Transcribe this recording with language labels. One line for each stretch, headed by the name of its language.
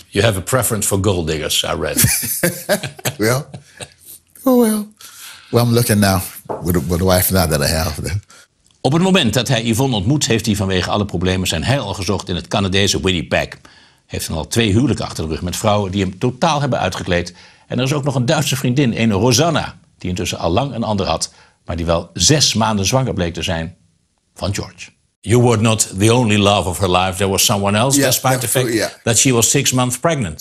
English: You have a preference for gold diggers, I read. Well, I'm looking now with the wife now that I have.
Dutch: Op het moment dat hij Yvonne ontmoet, heeft hij vanwege alle problemen zijn heil al gezocht in het Canadese Winnipeg. Hij heeft dan al twee huwelijken achter de rug met vrouwen die hem totaal hebben uitgekleed. En er is ook nog een Duitse vriendin, een Rosanna, die intussen al lang een ander had, maar die wel 6 maanden zwanger bleek te zijn van George.
English: You were not the only love of her life. There was someone else, yeah, despite the fact that she was 6 months pregnant.